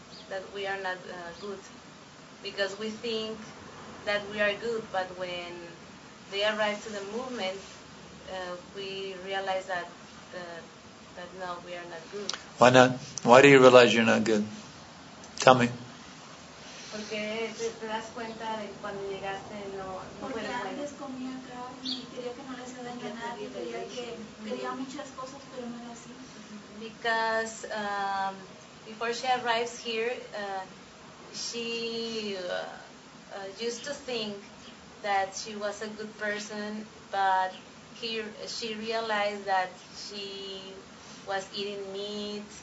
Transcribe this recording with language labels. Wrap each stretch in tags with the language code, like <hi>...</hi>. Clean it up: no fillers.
<en>That we are not good. Because we think that we are good, but when they arrive to the movement, we realize that no, we are not good. Why not? Why do you realize you're not good? Tell me.</en> <es>Porque te das cuenta de cuando llegaste no fue bueno. Porque antes comía acá y quería que no le hacía daño a nadie, quería muchas cosas, pero no era así.</es> <en>Because before she arrives here, she used to think that she was a good person, but here she realized that she was eating meat.</en>